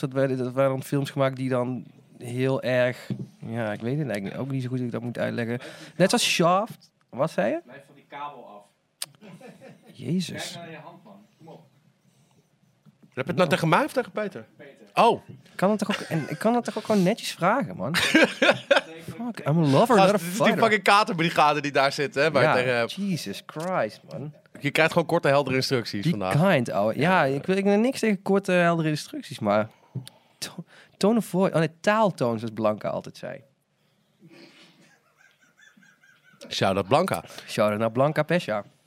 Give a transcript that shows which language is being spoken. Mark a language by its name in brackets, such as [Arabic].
[Dutch] Dat waren dan films gemaakt die dan heel erg... Ja, ik weet het eigenlijk ook niet zo goed dat ik dat moet uitleggen. Net zoals Shaft. Wat zei je? Blijf van die kabel af. Jezus. Kijk naar je hand, man. Kom op. Heb je het nou tegen mij of tegen Peter? Peter. Oh. Ik kan het toch ook gewoon netjes vragen, man. [English] Fuck, I'm a lover, not a fighter. [Dutch] Die fucking kater bij die gaten die daar zitten. Hè, ja, tegen... [English] Jesus Christ, man. [Dutch] Je krijgt gewoon korte, heldere instructies [English] be [Dutch] vandaag. [English] Be kind, ouwe. [Dutch] Ja, ik wil niks tegen korte, heldere instructies, maar... [English] Tone of voice. [Dutch] Oh nee, taaltoon, zoals Blanca altijd zei. Shout-out Blanca. Shout-out naar Blanca Pesha.